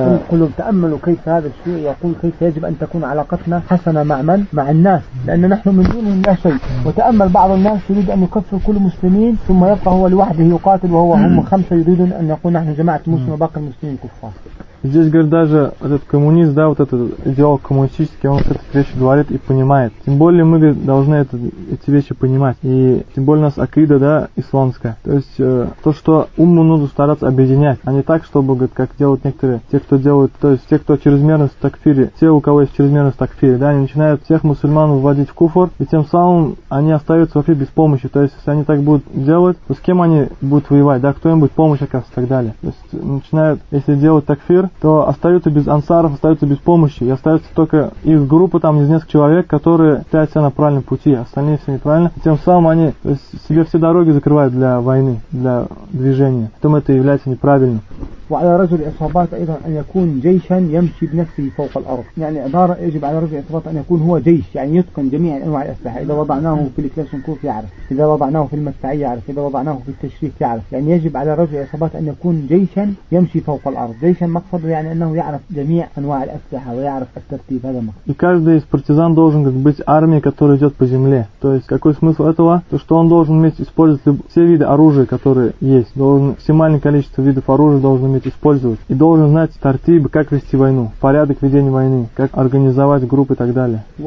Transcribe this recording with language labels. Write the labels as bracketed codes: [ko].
[ar] قلوب تأملوا كيف هذا الشيء يقول كيف يجب أن تكون علاقتنا حسنة مع من مع الناس لأن نحن من دونهم لا شيء. وتأمل بعض الناس يريد أن يكفر كل مسلمين ثم يبقى هو لوحده يقاتل وهو هم خمسة يريدون أن يقول نحن جماعة مسلم وباقي المسلمين كفار. [ru] Здесь, говорит, даже этот коммунист, да, вот этот идеал коммунистический, он вот эти вещи говорит и понимает. Тем более мы, говорит, должны эти вещи понимать. И тем более у нас акида, да, исламская. То есть то, что умму нужно стараться объединять, а не так, чтобы, говорит, как делают некоторые, те, кто делают, то есть те, кто чрезмерно в такфире, те, у кого есть чрезмерно в такфире, да, они начинают всех мусульман вводить в куфор, и тем самым они остаются вообще без помощи. То есть если они так будут делать, то с кем они будут воевать, да, кто им будет помощь оказывать и так далее. То есть начинают, если делать такфир, то остаются без ансаров, остаются без помощи, и остаются только их группа там из нескольких человек, которые стоят себя на правильном пути, остальные все неправильно. И тем самым они себе все дороги закрывают для войны, для движения. Потом это является неправильным. [ar] وعلى رجل العصابات أيضا أن يكون جيشا يمشي بنفسه فوق الأرض يعني عبارة يجب على رجل العصابات أن يكون هو جيش يعني يتقن جميع أنواع الأسلحة إذا وضعناه في الكلاشنكوف يعرف إذا وضعناه في المدفعية يعرف إذا وضعناه في التشريف يعرف يعني يجب على رجل العصابات أن يكون جيشا يمشي فوق الأرض جيشا مقصد يعني أنه يعرف جميع أنواع الأسلحة ويعرف الترتيب هذا مقصد. [ru] И каждый из партизан должен быть армией, которая идет по земле. То есть какой смысл этого? То что он должен уметь использовать все виды оружия, которые есть. Должен максимальное количество видов оружия должен иметь. Использовать и должен знать тартибы, как вести войну, порядок ведения войны, как организовать группы и так далее.